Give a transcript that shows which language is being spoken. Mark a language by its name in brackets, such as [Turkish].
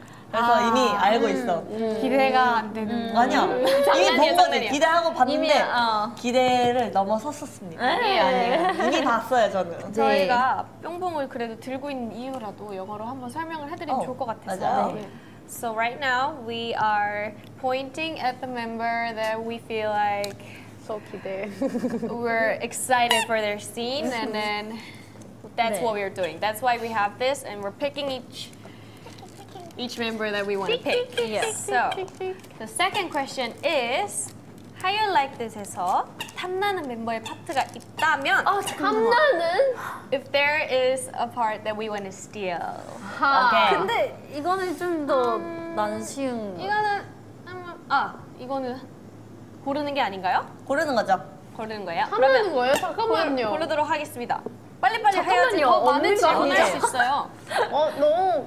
[Korean] 그래서 아, 이미 알고 있어. 기대가 안 되는. 아니야. 이미 본 거는 기대하고 봤는데 이미, 기대를 넘어섰었습니다. 아니에요. 이미 봤어요, 저는. 네. 저희가 뿅뿅을 그래도 들고 있는 이유라도 영어로 한번 설명을 해드리면 좋을 것 같아서. 맞아요. 네. [English] So right now we are pointing at the member that we feel like [Korean] so 기대. [English] We're excited for their scene and then that's 네. what we're doing. That's why we have this and we're picking each member that we want to pick. Yes. So, the second question is, How You Like This에서 [Korean] 탐나는 멤버의 파트가 있다면, 탐나는? [English] If there is a part that we want to steal. Okay. [Korean] 근데 이거는 좀 더 난 쉬운. 이거는 이거는 고르는 게 아닌가요? 고르는 거죠. 고르는 거예요? 탐나는 그러면 거예요? 잠깐만요. 고르도록 하겠습니다. 빨리빨리 해야지 더 많은 질문을 할 수 있어요. 너무